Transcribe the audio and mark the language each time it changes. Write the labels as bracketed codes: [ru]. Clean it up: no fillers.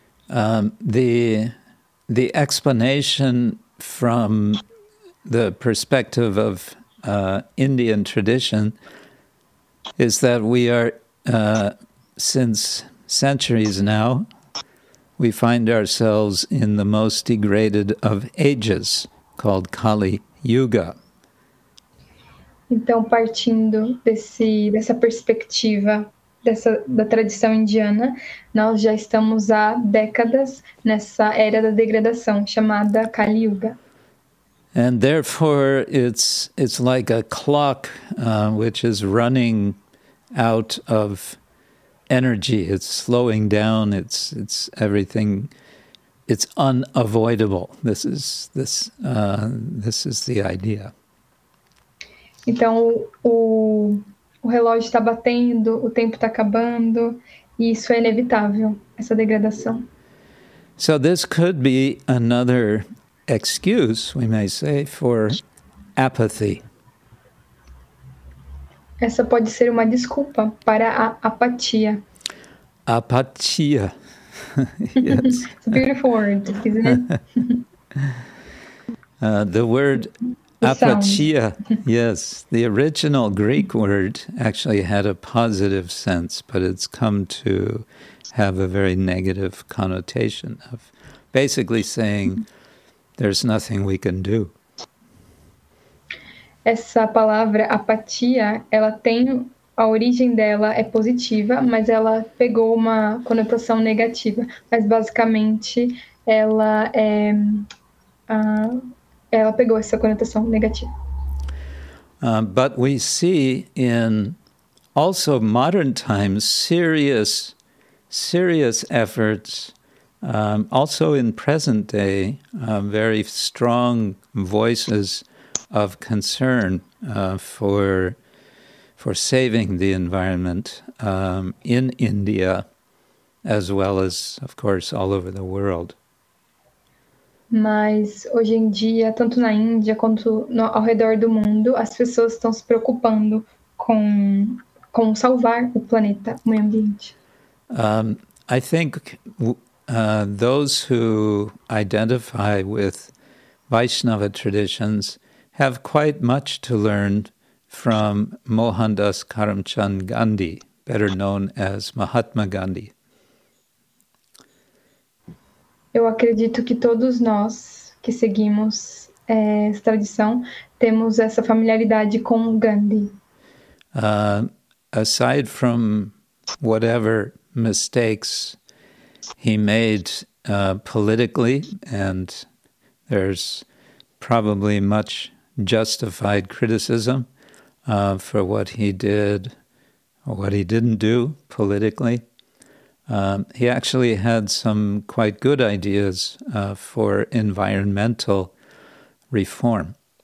[en] The explanation from the perspective of Indian tradition is that we are, since centuries now, we find ourselves in the most degraded of ages, called Kali Yuga. [pt] Então, partindo dessa perspectiva, da tradição indiana, nós já estamos há décadas nessa era da degradação, chamada Kali Yuga. [en] And therefore, it's like a clock which is running out of energy. It's slowing down. It's everything. It's unavoidable. This is the idea. [pt] Então o relógio está batendo, o tempo está acabando, e isso é inevitável, essa degradação. [en] So this could be another excuse, we may say, for apathy. [pt] Essa pode ser uma desculpa para a apatia. [en] Apatia. Yes. It's a beautiful word, isn't it? The word apatia, yes, the original Greek word actually had a positive sense, but it's come to have a very negative connotation of basically saying there's nothing we can do. [pt] Essa palavra apatia, ela tem, a origem dela é positiva, mas ela pegou uma conotação negativa. Mas basicamente, ela é... ela pegou essa conotação negativa. [en] But we see in also modern times serious, serious efforts, also in present day, very strong voices of concern for saving the environment in India, as well as, of course, all over the world. [pt] Mas hoje em dia, tanto na Índia quanto no, ao redor do mundo, as pessoas estão se preocupando com salvar o planeta, o meio ambiente. [en] I think those who identify with Vaishnava traditions have quite much to learn from Mohandas Karamchand Gandhi, better known as Mahatma Gandhi. [pt] Eu acredito que todos nós que seguimos essa tradição temos essa familiaridade com Gandhi. [en] Aside from whatever mistakes he made politically, and there's probably much justified criticism for what he did or what he didn't do politically, he actually had some quite good ideas for environmental reform.